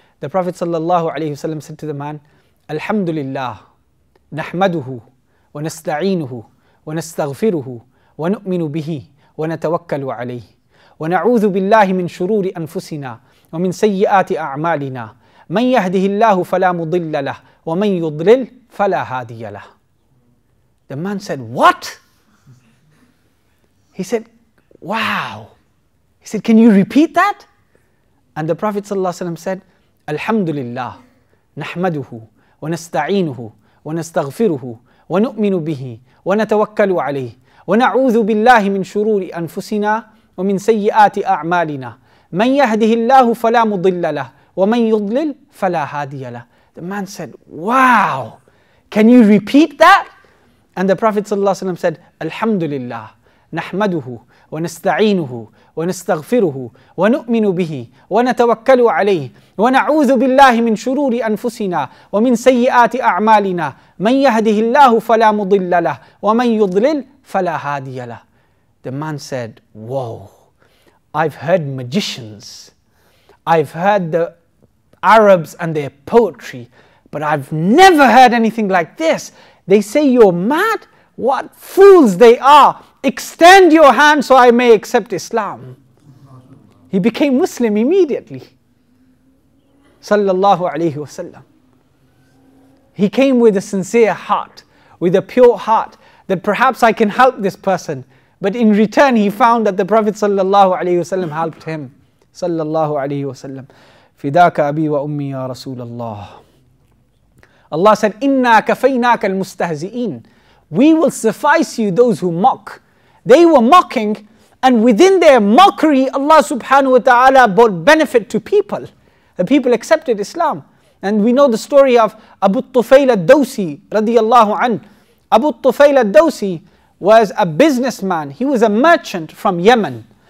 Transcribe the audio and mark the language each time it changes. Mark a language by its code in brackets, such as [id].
[en] The Prophet ﷺ said to the man, [ar] Alhamdulillah, nahmaduhu, wa nasta'inuhu, wa nastaghfiruhu, wa nu'minu bihi, wa natawakkalu alayhi, wa na'udhu billahi min shururi anfusina, wa min sayyi'ati a'malina. مَنْ يَهْدِهِ اللَّهُ فَلَا مُضِلَّ لَهُ وَمَنْ يُضْلِلْ فَلَا هَادِيَ لَهُ. [en] The man said, what? He said, wow. He said, can you repeat that? And the Prophet ﷺ said, [ar] Alhamdulillah, نَحْمَدُهُ وَنَسْتَعِينُهُ وَنَسْتَغْفِرُهُ وَنُؤْمِنُ بِهِ وَنَتَوَكَّلُ عَلَيْهِ وَنَعُوذُ بِاللَّهِ مِنْ شُرُورِ أَنفُسِنَا وَمِنْ سَيِّئَاتِ أَعْمَالِنَا. مَنْ يَهْدِهِ اللَّهُ فَلَا مُضِلَّ لَهُ وَمَنْ يُضْلِلْ فَلَا هَادِيَ لَهُ. [en] The man said, wow, can you repeat that? And the Prophet ﷺ said, [ar] Alhamdulillah, نَحْمَدُهُ وَنَسْتَعِينُهُ وَنَسْتَغْفِرُهُ وَنُؤْمِنُ بِهِ وَنَتَوَكَّلُ عَلَيْهِ وَنَعُوذُ بِاللَّهِ مِنْ شُرُورِ أَنفُسِنَا وَمِنْ سَيِّئَاتِ أَعْمَالِنَا. مَنْ يَهْدِهِ اللَّهُ فَلَا مُضِلَّ لَهُ وَمَنْ يُضْلِلْ فَلَا هَادِيَ لَهُ. [en] The man said, whoa, I've heard magicians, I've heard the Arabs and their poetry, but I've never heard anything like this. They say you're mad? What fools they are. Extend your hand so I may accept Islam. He became Muslim immediately. Sallallahu alayhi wa sallam. He came with a sincere heart, with a pure heart, that perhaps I can help this person. But in return, he found that the Prophet sallallahu alayhi wa sallam helped him. [ar] صلى الله عليه وسلم فداك أبي وأمي يا رسول الله. [en] Allah said, [ar] إنا كفيناك المستهزئين. [en] We will suffice you those who mock. They were mocking, and within their mockery, Allah subhanahu wa ta'ala brought benefit to people. The people accepted Islam. And we know the story of Abu Tufayl al-Dawsi [ar] رضي الله عنه. [en] Abu Tufayl al-Dawsi was a businessman. He was a merchant from Yemen.